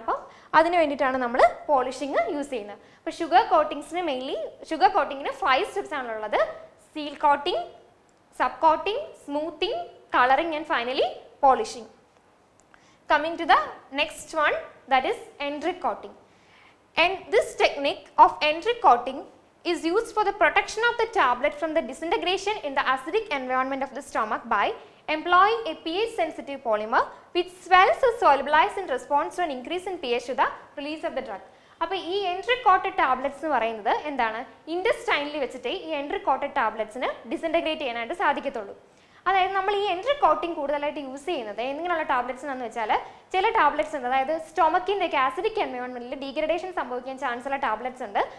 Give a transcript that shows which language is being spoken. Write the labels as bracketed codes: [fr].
[ml] അപ്പോൾ അതിന് വേണ്ടിയിട്ടാണ് നമ്മൾ പോളിഷിങ് യൂസ് ചെയ്യുന്നത്. അപ്പോൾ ഷുഗർ കോട്ടിങ്സിന് മെയിൻലി ഷുഗർ കോട്ടിങ്ങിന് 5 സ്റ്റെപ്സ് ആണുള്ളത്. [en] Seal coating, sub coating, smoothing, colouring, and finally polishing. Coming to the next one, that is entry coating. And this technique of entry coating is used for the protection of the tablet from the disintegration in the acidic environment of the stomach by employing a pH sensitive polymer which swells or solubilizes in response to an increase in pH to the release of the drug. [ml] അപ്പൊ ഈ entry quoted tablets എന്ന് പറയുന്നത് എന്താണ്, ഇൻ്റെസ്റ്റൈനിൽ വെച്ചിട്ട് ഈ entry quoted ടാബ്ലറ്റ്സിന് disintegrate ചെയ്യാനായിട്ട് സാധിക്കത്തുള്ളൂ. അതായത് നമ്മൾ ഈ എൻട്രി കോട്ടിങ് കൂടുതലായിട്ട് യൂസ് ചെയ്യുന്നത് എങ്ങനെയുള്ള ടാബ്ലറ്റ്സ് എന്നാന്ന് വെച്ചാൽ, ചില ടാബ്ലറ്റ്സ് ഉണ്ട് അതായത് സ്റ്റൊമക്കിൻ്റെ ആസിഡിക് എൻവയോൺമെന്റിൽ ഡീഗ്രഡേഷൻ സംഭവിക്കാൻ ചാൻസ് ഉള്ള ടാബ്ലറ്റ്സ് ഉണ്ട്.